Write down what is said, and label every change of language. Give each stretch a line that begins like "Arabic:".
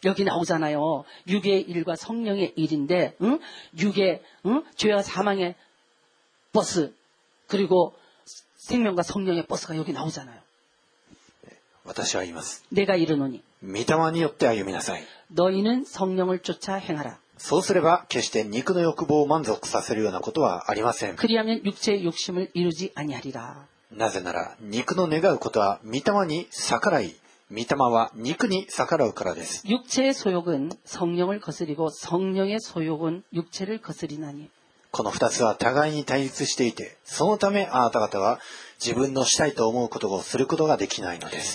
Korean: 여기나오잖아요육의일과성령의일인데응육의응죄와사망의버스그리고생명과성령의버스가여기나오잖아요
Japanese: 私は言います
Korean: 내가이르노니
Japanese: 御霊によって歩みなさい
Korean: 너희는성령을쫓아행하라
Japanese: そうすれば決して肉の欲望を満足させるようなことはありません
Korean: 그리하면육체의욕심을이루지아니하리라
Japanese: なぜなら肉の願うことは御霊に逆らい御霊は肉に逆らうからです
Korean: 육체의소욕은성령을거스리고성령의소욕은육체를거스리나니
Japanese: この二つは互いに対立していて、そのためあなた方は自分のしたいと思うことをすることができないのです。